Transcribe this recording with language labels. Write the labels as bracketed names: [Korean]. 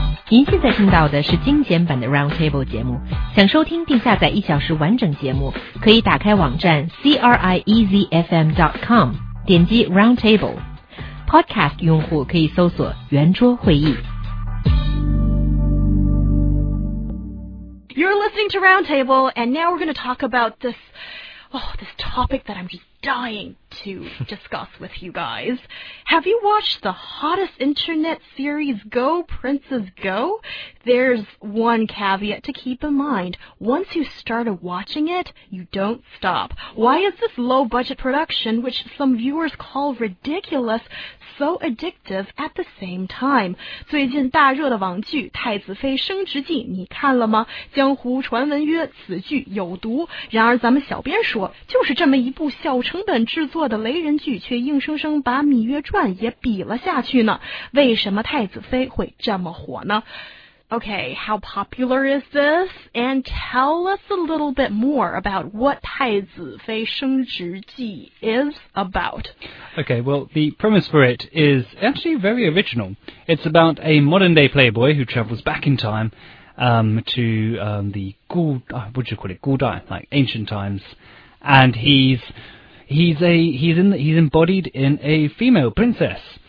[Chinese] 您现在听到的是精简版的 Roundtable 节目，想收听并下载一小时完整节目，可以打开网站 CRIEZFM.com 点击 Roundtable。 Podcast 用户可以搜索圆桌会议。 [English] You're listening to Roundtable, and now we're going to talk about this, oh, this topic that I'm just dying to discuss with you guys. Have you watched the hottest internet series, Go Princess Go? There's one caveat to keep in mind. Once you started watching it, you don't stop. Why is this low-budget production, which some viewers call ridiculous, so addictive at the same time? [Chinese] 最近大热的网剧《太子妃升职记》你看了吗？江湖传闻曰此剧有毒，然而咱们小编说，就是这么一部笑成本制作的雷人剧，却硬生生把《芈月传》也比了下去呢。为什么《太子妃》会这么火呢？ [English] Okay, how popular is this? And tell us a little bit more about what 太子妃升职记 is about. Okay, well, the premise for it is actually very original. It's about a modern-day playboy who travels back in time to the Gu Dai, like ancient times, and he's embodied in a female princess.